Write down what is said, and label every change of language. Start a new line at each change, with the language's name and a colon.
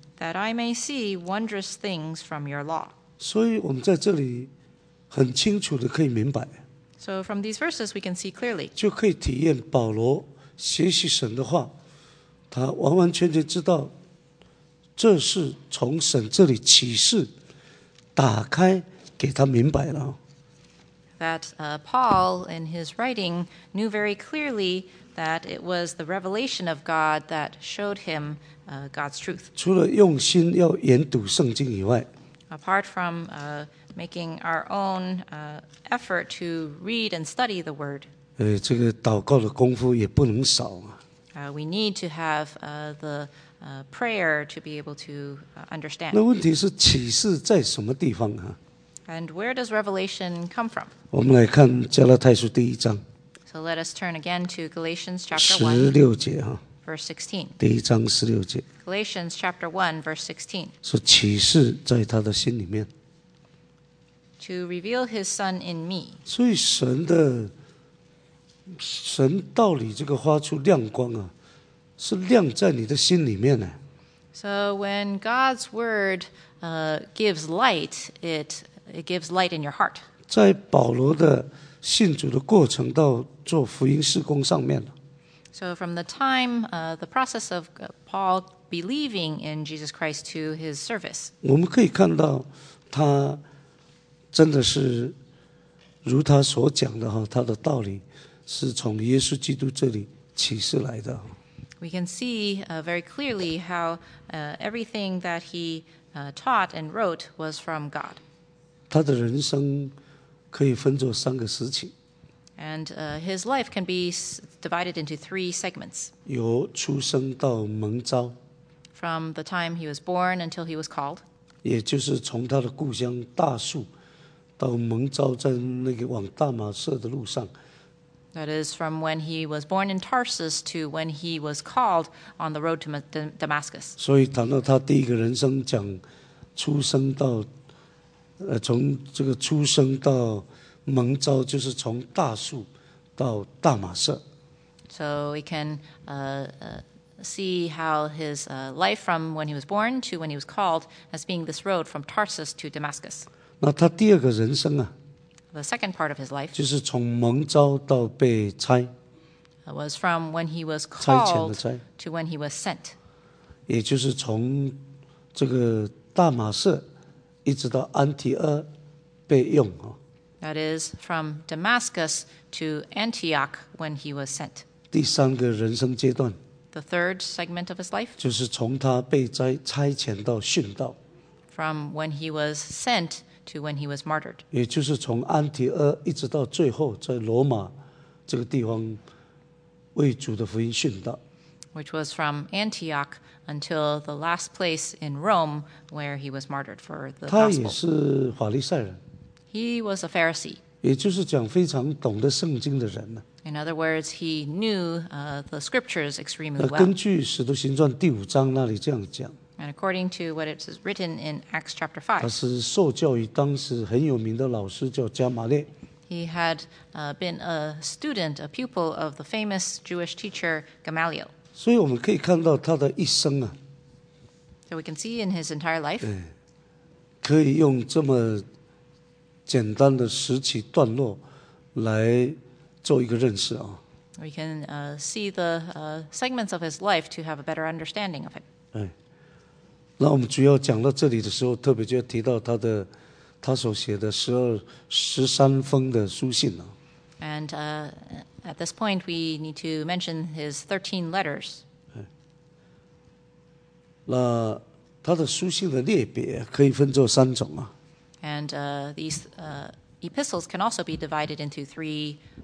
English: That I may see wondrous things from your law.
Chinese: 所以我们在这里很清楚的可以明白。
English: So from these verses we can see clearly.
Chinese: 就可以体验保罗学习神的话，他完完全全知道这是从神这里启示打开给他明白了。
English: That Paul in his writing knew very clearly that it was the revelation of God that showed him God's truth.
Chinese: 除了用心要研读圣经以外，
English: apart from making our own effort to read and study the word.
Chinese: 这个祷告的功夫也不能少啊。
English: We need to have the prayer to be able to understand.
Chinese: 那问题是启示在什么地方啊？
English: And where does revelation come from?
Chinese: 我们来看加拉太书第一章。
English: So let us turn again to Galatians chapter 1.
Chinese: 16节啊。
English: Verse 16.
Chinese: 第一章16节。
English: Galatians chapter 1, verse 16.
Chinese: 说启示在他的心里面。
English: To reveal his son in me.
Chinese: 所以神道理这个发出亮光啊。是亮在你的心里面呢。
English: So when God's word gives light, it gives light in your heart.
Chinese: 在保罗的信主的过程到做福音事工上面。
English: So from the time the process of Paul believing in Jesus Christ to his service.
Chinese: 我们可以看到他真的是如他所讲的他的道理是从耶稣基督这里启示来的。
English: We can see very clearly how everything that he taught and wrote was from God.
Chinese: 他的人生可以分作三个时期。
English: And his life can be divided into three segments.
Chinese: 由出生到蒙召。
English: From the time he was born until he was called.
Chinese: 也就是从他的故乡大树到蒙召在那个往大马色的路上。
English: That is from when he was born in Tarsus to when he was called on the road to Damascus.
Chinese: 所以谈到他第一个人生讲出生到从这个出生到蒙召就是从大树到大马色。
English: So we can see how his life from when he was born to when he was called as being this road from Tarsus to Damascus.
Chinese: 那他第二个人生啊
English: The second part of his life
Chinese: 就是从蒙召到被差
English: was from when he was called to when he was sent.
Chinese: 也就是从这个大马色一直到安提阿被用啊
English: That is from Damascus to Antioch when he was sent.
Chinese: 第三个人生阶段
English: The third segment of his life
Chinese: 就是从他被差遣到殉道
English: From when he was sent to when he was martyred
Chinese: 也就是从安提阿一直到最后在罗马这个地方为主的福音殉道
English: Which was from Antioch until the last place in Rome where he was martyred for the gospel
Chinese: 他也是法利赛人
English: He was a Pharisee
Chinese: 也就是讲非常懂得圣经的人
English: In other words, he knew the scriptures extremely well.
Chinese: 根据《使徒行传》第五章那里这样讲。
English: And according to what it is written in Acts chapter 5.
Chinese: 他是受教于当时很有名的老师叫加马列。
English: He had been a student, a pupil of the famous Jewish teacher Gamaliel.
Chinese: 所以我们可以看到他的一生啊。
English: So we can see in his entire life.
Chinese: 可以用这么简单的十几段落来做一个认识啊。
English: We can see the segments of his life to have a better understanding of it.
Chinese: 那我们主要讲到这里的时候，特别就提到他所写的十三封的书信啊。
English: And at this point, we need to mention his 13 letters.
Chinese: 那他的书信的列别可以分作三种啊。
English: And these epistles can also be divided into three.